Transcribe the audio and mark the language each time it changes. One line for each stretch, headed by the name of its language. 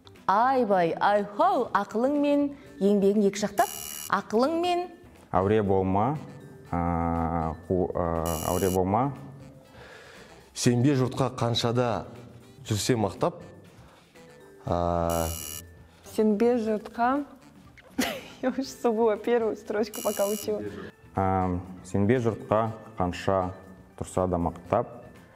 Kazakh: Ай бай, ай хоу, ақылың мен еңбегін екі жақтап. Ақылың мен... Әуре болма. Әуре болма. Сенбе жұртқа қаншада жүрсе мақтап. Сенбе жұртқа...
Russian: Я уже собыла первую строчку, пока учила.
Kazakh: Сенбе жұртқа қанша тұрса да мақтап.